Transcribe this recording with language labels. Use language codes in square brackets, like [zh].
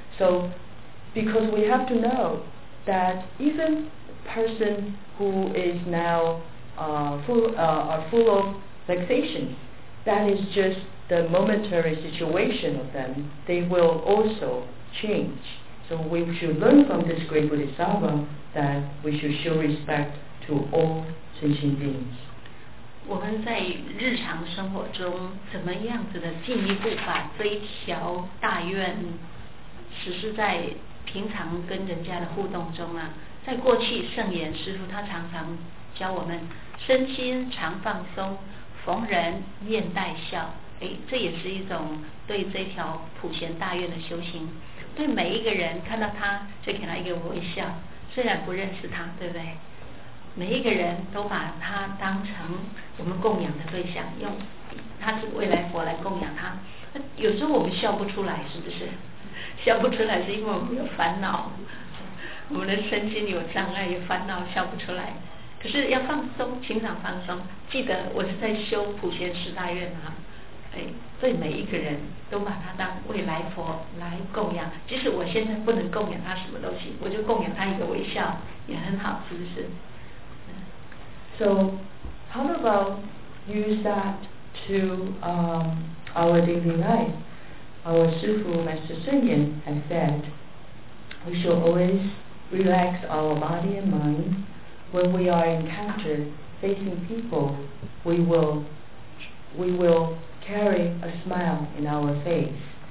[en] So, because we have to know that even person who is now full of vexations, that is just the momentary situation of them, they will also change. So we should learn from this great Bodhisattva that we should show respect to all sentient beings. [zh] 我们在日常生活中怎么样子的进一步把这一条大愿实施在平常跟人家的互动中啊，在过去圣严师父他常常教我们身心常放松，逢人面带笑，哎，这也是一种对这条普贤大愿的修行，对每一个人看到他就给他一个微笑，虽然不认识他，对不对？每一个人都把他当成我们供养的对象，用他是未来佛来供养他，有时候我们笑不出来，是不是？笑不出来是因为我们有烦恼，我们的身心有障碍，有烦恼笑不出来。可是要放松，情场放松，记得我是在修普贤十大愿啊，哎，对每一个人都把他当未来佛来供养，即使我现在不能供养他什么东西，我就供养他一个微笑也很好，是不是？ [en] So how about use that to our daily life? Our Sufu Master Sunyan has said we should always relax our body and mind. When we are encountered facing people, we will carry a smile in our face.